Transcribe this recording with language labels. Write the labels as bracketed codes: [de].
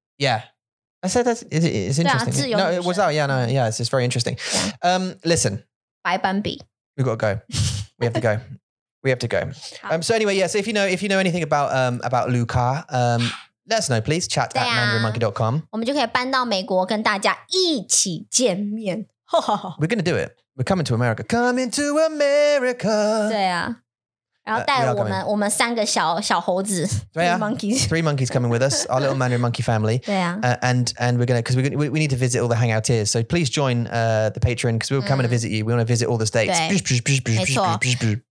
[en] Yeah. I said that's, it's interesting. [zh] 对啊, [en] no, it was that, yeah, no, yeah, it's very interesting. Listen. [zh] 白斑比. [en] We've got to go. We have to go. We have to go. So anyway, yes, if you know anything about Luca, let us know, please. Chat at mandarinmonkey.com. [zh] 我们就可以搬到美国跟大家一起见面. [en] We're going to do it. We're coming to America. Coming to America. [zh] 对啊. 然后带我们三个小猴子. 对啊. [en] Monkeys. Three monkeys coming with us. Our little Mandarin Monkey family. [zh] 对啊. [en] And we're going to, because we need to visit all the hangouteers. So please join the Patreon, because we're coming to visit you. We want to visit all the states.